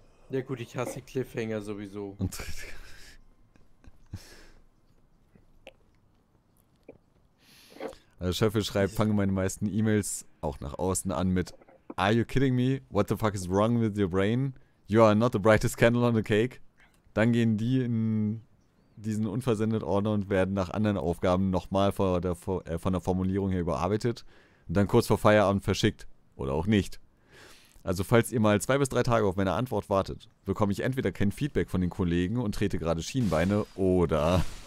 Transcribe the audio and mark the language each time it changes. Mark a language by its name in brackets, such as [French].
[German] Ja gut, ich hasse Cliffhanger sowieso. Und also Schöffel schreibt, fange meine meisten E-Mails auch nach außen an mit [English] Are you kidding me? What the fuck is wrong with your brain? You are not the brightest candle on the cake. [German] Dann gehen die in diesen unversendet Ordner und werden nach anderen Aufgaben nochmal von der Formulierung her überarbeitet. Und dann kurz vor Feierabend verschickt oder auch nicht. Also falls ihr mal 2 bis 3 Tage auf meine Antwort wartet, bekomme ich entweder kein Feedback von den Kollegen und trete gerade Schienbeine oder...